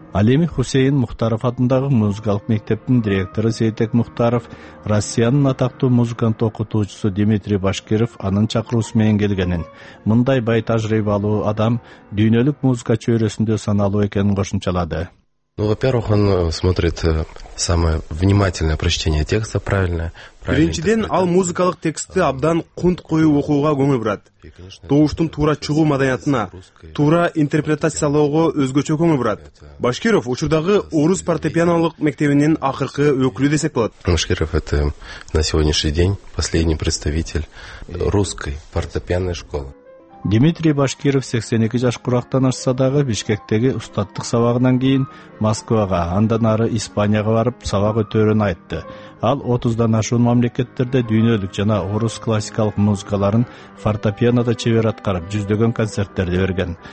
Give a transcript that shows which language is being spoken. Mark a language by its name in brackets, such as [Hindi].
[Kyrgyz] Ал эми Хусейн Мухтаров атындагы музыкалык мектептин директору Сейтек Мухтаров, Россиянын атактуу музыкант окутуучусу Дмитрий Башкиров анын чакыруусу менен келгенин, мындай бай тажрыйбалуу адам дүйнөлүк музыка чөйрөсүндө саналуу экенин кошумчалады. [Russian] Ну, во-первых, он смотрит самое внимательное прочтение текста, правильное. [Kyrgyz] Биринчиден, ал музыкалык текстти абдан кунт коюп окууга көңүл бурат. Тоуштун туура чыгуу маданиятына, туура интерпретациялоого өзгөчө көңүл бурат. Башкиров учурдагы орус партепианолук мектебинин акыркы өкүлү десек болот. [Russian] Башкиров это на сегодняшний день последний представитель русской партепианной школы. [Kyrgyz] Дмитрий Башкиров 82 жаш курактан ашса дагы Бишкектеги устаттык сабагынан кийин Москвага, андан ары Испанияга барып сабак өтөрүн айтты. Ал 30дан ашуун мамлекеттерде дүйнөлүк жана орус классикалык музыкаларын фортепианода чебер аткарып, жүздөгөн концерттерди берген.